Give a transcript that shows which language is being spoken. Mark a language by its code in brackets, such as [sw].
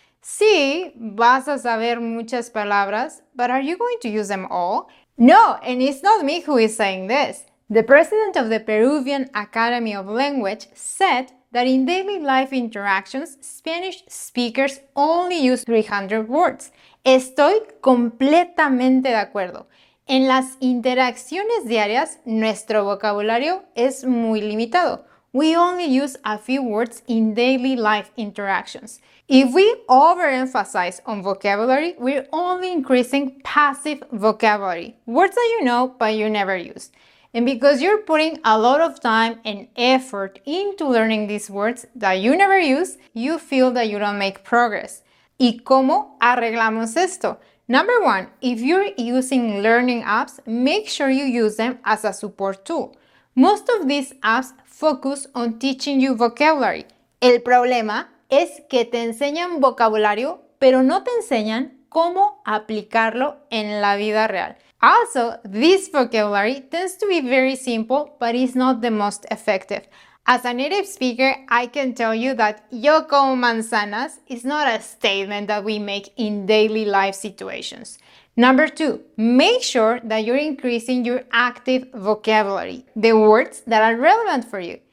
[es] Sí, vas a saber muchas palabras, [en] but are you going to use them all? No, and it's not me who is saying this. The president of the Peruvian Academy of Language said that in daily life interactions, Spanish speakers only use 300 words. [es] Estoy completamente de acuerdo. En las interacciones diarias, nuestro vocabulario es muy limitado. [en] We only use a few words in daily life interactions. If we overemphasize on vocabulary, we're only increasing passive vocabulary. Words that you know, but you never use. And because you're putting a lot of time and effort into learning these words that you never use, you feel that you don't make progress. [es] ¿Y cómo arreglamos esto? [en] Number one, if you're using learning apps, make sure you use them as a support tool. Most of these apps focus on teaching you vocabulary. [es] El problema es que te enseñan vocabulario, pero no te enseñan cómo aplicarlo en la vida real. [en] Also, this vocabulary tends to be very simple, but it's not the most effective. As a native speaker, I can tell you that [es] yo como manzanas [en] is not a statement that we make in daily life situations. Number two, make sure that you're increasing your active vocabulary, the words that are relevant for you.